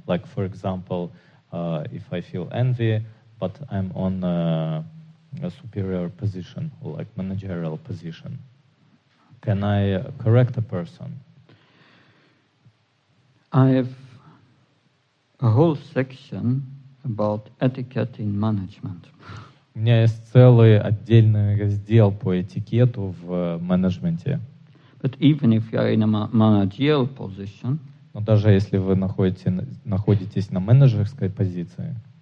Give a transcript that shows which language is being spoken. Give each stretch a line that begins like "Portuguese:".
English: Like, for example, if I feel envy, but I'm on a superior position, or like managerial position, can I correct a person? I have a whole section about etiquette in management.
Russian: У меня есть целый отдельный раздел по этикету в менеджменте.
English: But even if you are in a managerial position,
Russian: но даже если вы находитесь на менеджерской позиции,